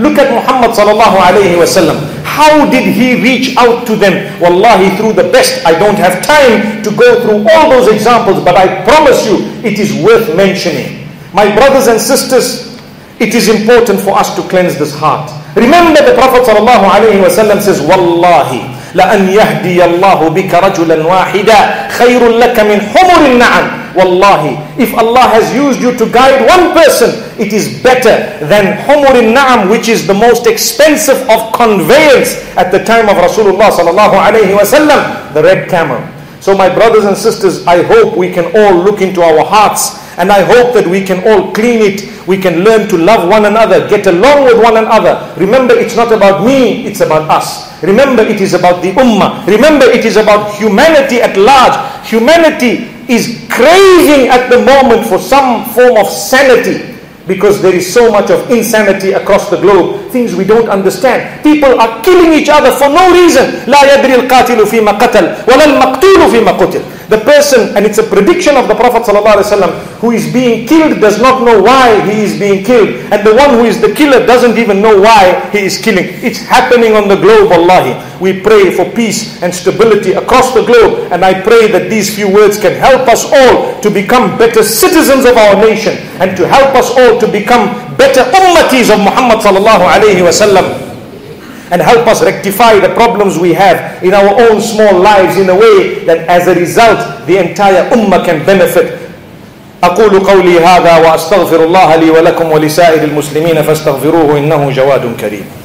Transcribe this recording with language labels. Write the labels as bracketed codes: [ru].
[en] Look at Muhammad sallallahu alayhi wa sallam. How did he reach out to them? Wallahi, through the best. I don't have time to go through all those examples, but I promise you, it is worth mentioning. My brothers and sisters, it is important for us to cleanse this heart. Remember, the Prophet sallallahu alayhi wa sallam says, Wallahi, [ar] لَأَنْ يَهْدِيَ اللَّهُ بِكَ رَجُلًا وَاحِدًا خَيْرٌ لَكَ مِنْ حُمُرِ النَّعَمِ. [en] Wallahi, if Allah has used you to guide one person, it is better than humurin na'am, which is the most expensive of conveyance at the time of Rasulullah sallallahu alayhi wa sallam, the red camel. So my brothers and sisters, I hope we can all look into our hearts, and I hope that we can all clean it. We can learn to love one another, get along with one another. Remember, it's not about me, it's about us. Remember, it is about the ummah. Remember, it is about humanity at large. Humanity is craving at the moment for some form of sanity, because there is so much of insanity across the globe. Things we don't understand. People are killing each other for no reason. [ar] لا يدري القاتل فيما قتل ولا المقتول فيما قتل. [en] The person, and it's a prediction of the Prophet ﷺ, who is being killed does not know why he is being killed. And the one who is the killer doesn't even know why he is killing. It's happening on the globe, Wallahi. We pray for peace and stability across the globe. And I pray that these few words can help us all to become better citizens of our nation, and to help us all to become better ummatis of Muhammad ﷺ, and help us rectify the problems we have in our own small lives in a way that as a result the entire ummah can benefit. [ar] أقول قولي هذا وأستغفر الله لي ولكم ولسائر المسلمين فاستغفروه إنه جواد كريم.